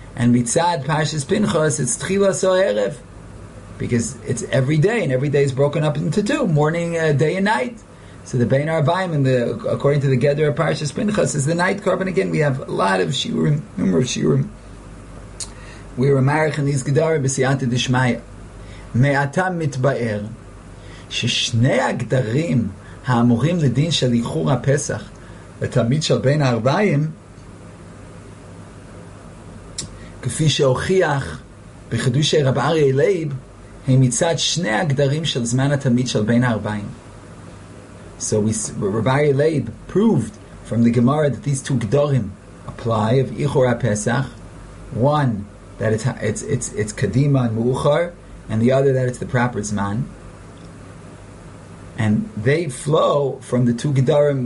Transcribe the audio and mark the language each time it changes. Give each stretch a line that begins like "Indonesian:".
English: And mitzad parashas Pinchas, it's Tchila so-erev. Because it's every day, and every day is broken up into two, morning, day, and night. So the Bein Arvayim, according to the Gedder of Parshas Pinchas, is the night carbon. Again, we have a lot of shiurim, number of shiurim. We were marichin these Gedder b'siyata d'shmaya.
Hebrew: Me'ata mitba'er, she'shnei agdarim ha'amurim l'din shel ichur ha'pesach, ותמיד של בין הארבעים, כפי שהוכיח בחידוש רב אריה לייב, הם מצד שני הגדרים של זמן התמיד של בין הארבעים.
English: So רב אריה לייב proved from the Gemara that these two גדורים apply of איחור הפסח, one that it's קדימה and מאוחר, and the other that it's the proper זמן. And they flow from the two gedarim.